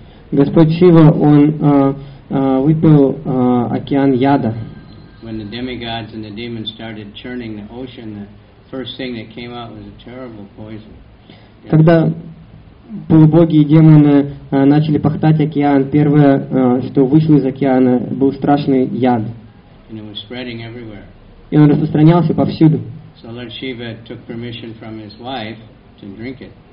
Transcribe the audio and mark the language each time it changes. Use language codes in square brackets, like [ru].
[ru] Господь Шива, он выпил океан яда. [en] When the demigods and the demons started churning the ocean, the first thing that came out was a terrible poison. [ru] Когда полубоги и демоны начали пахтать океан, первое, что вышло из океана, был страшный яд. [en] And it was spreading everywhere. [ru] И он распространялся повсюду. [en] So Lord Shiva took permission from his wife to drink it.